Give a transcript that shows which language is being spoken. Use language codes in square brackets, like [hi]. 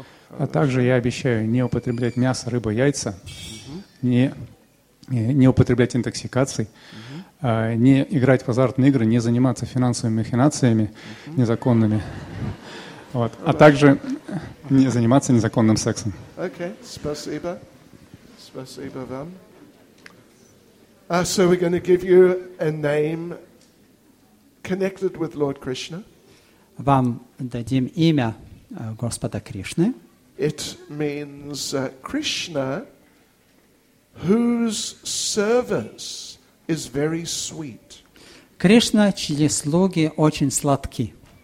[ru] А также я обещаю не употреблять мясо, рыбу, яйца, не употреблять интоксикаций, не играть в азартные игры, не заниматься финансовыми махинациями незаконными, вот. А также не заниматься незаконным сексом. Okay, спасибо. Спасибо вам. [en] So we're going to give you a name connected with Lord Krishna. [ru] Вам дадим имя Господа Кришны. [en] It means Krishna, whose service is very sweet. [ru] Кришна, чьи слуги очень сладки.